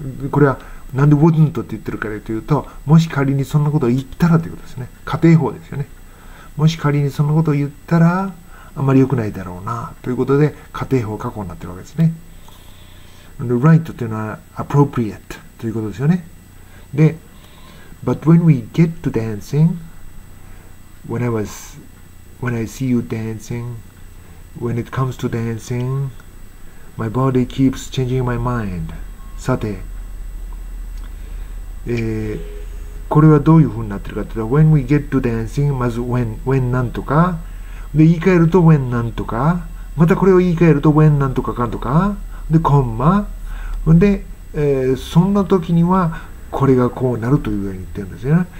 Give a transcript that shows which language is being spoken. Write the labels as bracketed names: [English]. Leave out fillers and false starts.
[Japanese] これは、なんで wouldn't って言ってるかというと、もし仮にそんなことを言ったらということですね。仮定法ですよね。もし仮にそんなことを言ったら、あまり良くないだろうな、ということで、仮定法過去になってるわけですね。 right というのは appropriate ということですよね。で、 [English] but when we get to dancing, when I see you dancing, when it comes to dancing, my body keeps changing my mind. [Japanese] さて、これはどういうふうになってるかというと、 [English] when we get to dancing, [Japanese] まず when なんとか、で、言い換えると when なんとか、またこれを言い換えると when なんとかかんとか、で、コンマ、で、そんな時にはこれがこうなるというように言ってるんですよね。